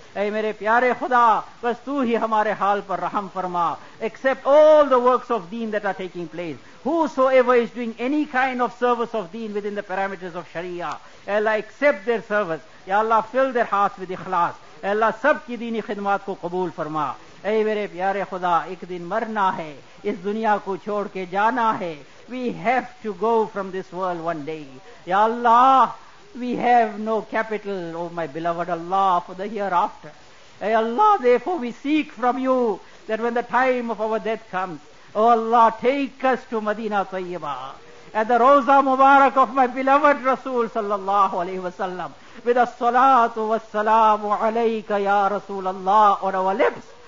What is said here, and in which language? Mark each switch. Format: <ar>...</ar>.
<ur>Ey mere pyare khuda, bas tu hi hamare haal par raham farma.</ur> <en>Accept all the works of deen that are taking place. Whosoever is doing any kind of service of deen within the parameters of sharia, ya Allah, accept their service.</en> <ur>Ya Allah,</ur> <en>fill their hearts with ikhlas.</en> <ur>Ya Allah, sab ki deeni khidmat ko qabool farma. اے میرے پیارے خدا، ایک دن مرنا ہے، اس دنیا کو چھوڑ کے جانا ہے.</ur> <en>We have to go from this world one day. Ya Allah, we have no capital, oh my beloved Allah, for the hereafter. Ey Allah, therefore we seek from you that when the time of our death comes, oh Allah, take us to Madinah Tayyiba at the Rauza Mubarak of my beloved Rasul sallallahu alayhi wa sallam, with a salatu wa salamu alayka ya Rasul Allah on our lips.</en>